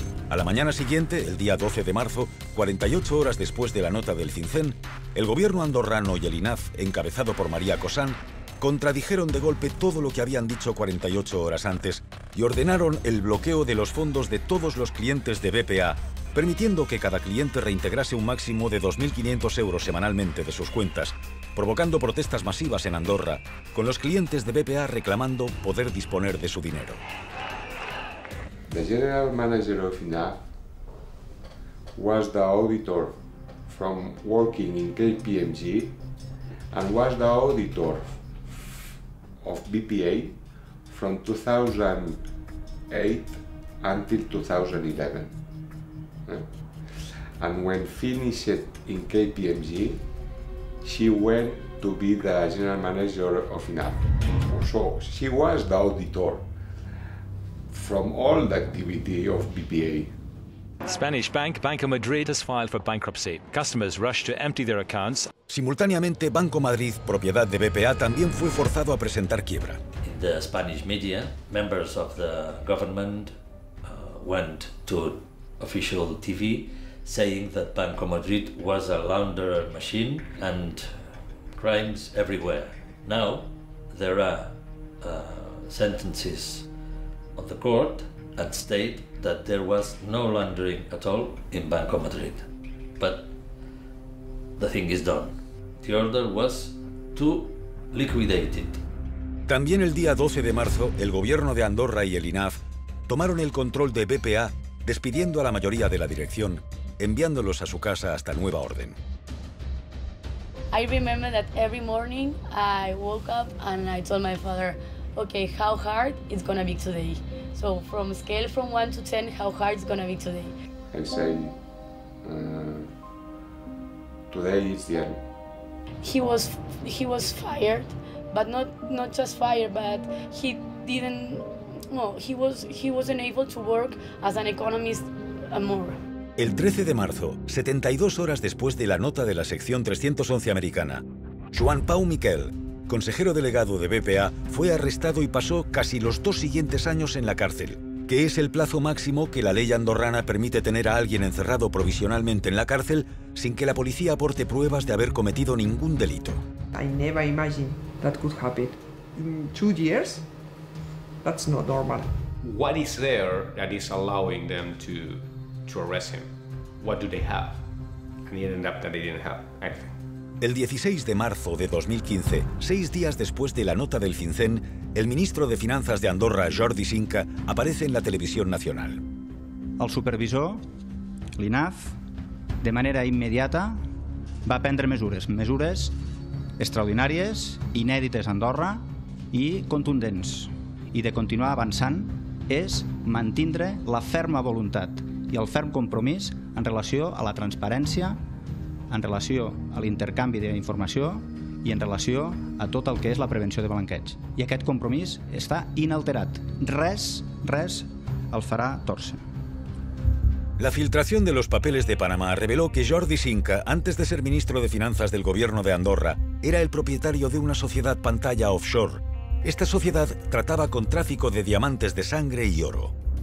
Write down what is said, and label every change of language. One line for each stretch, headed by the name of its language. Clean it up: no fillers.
Spanish: A la mañana siguiente, el día 12 de marzo, 48 horas después de la nota del cincén, el gobierno andorrano y el INAF, encabezado por María Cosán, contradijeron de golpe todo lo que habían dicho 48 horas antes y ordenaron el bloqueo de los fondos de todos los clientes de BPA, permitiendo que cada cliente reintegrase un máximo de 2.500 euros semanalmente de sus cuentas, provocando protestas masivas en Andorra, con los clientes de BPA reclamando poder disponer de su dinero.
English: The general manager of INAF was the auditor from working in KPMG and was the auditor of BPA from 2008 until 2011. And when finished in KPMG, she went to be the general manager of INAF. So she was the auditor from all the activity of BPA. Spanish bank Banco Madrid has filed for bankruptcy. Customers rushed to empty their accounts.
Spanish: Simultáneamente, Banco Madrid, propiedad de BPA, también fue forzado a presentar quiebra.
English: In the Spanish media, members of the government went to official TV saying that Banco Madrid was a launderer machine and crimes everywhere. Now, there are sentences on the court and state that there was no laundering at all in Banco Madrid. But the thing is done. The order was to liquidate it.
Spanish: También el día 12 de marzo, el gobierno de Andorra y el INAF tomaron el control de BPA, despidiendo a la mayoría de la dirección, enviándolos a su casa hasta nueva orden.
English: I remember that every morning I woke up and I told my father, okay, how hard it's gonna be today? So from scale from 1 to 10, how hard it's gonna be today? I say, today is the end. He was fired, but not just fired, but he didn't, no, he wasn't able to work as an economist anymore.
Spanish: El 13 de marzo, 72 horas después de la nota de la sección 311 americana, Juan Pau Miquel, consejero delegado de BPA, fue arrestado y pasó casi los dos siguientes años en la cárcel, que es el plazo máximo que la ley andorrana permite tener a alguien encerrado provisionalmente en la cárcel sin que la policía aporte pruebas de haber cometido ningún delito.
English: I never imagined that could happen. In 2 years, that's not normal. What is there that is allowing them to arrest him? What do they have? And it ended up that they didn't have anything.
Spanish: El 16 de marzo de 2015, 6 días después de la nota del FinCEN, el ministro de Finanzas de Andorra, Jordi Sinca, aparece en la televisión nacional.
Catalan: El supervisor, l'INAF, de manera immediata, va prendre mesures extraordinàries, inèdites a Andorra i contundents. I de continuar avançant és mantindre la ferma voluntat i el ferm compromís en relació a la transparència, en relació a l'intercanvi d'informació i en relació a tot el que és la prevenció de blanqueig. I aquest compromís està inalterat. Res el farà torcer.
Spanish: La filtración de los papeles de Panamá reveló que Jordi Sinca, antes de ser ministro de Finanzas del gobierno de Andorra, era el propietario de una sociedad pantalla offshore. Esta sociedad trataba con tráfico de diamantes de sangre y oro.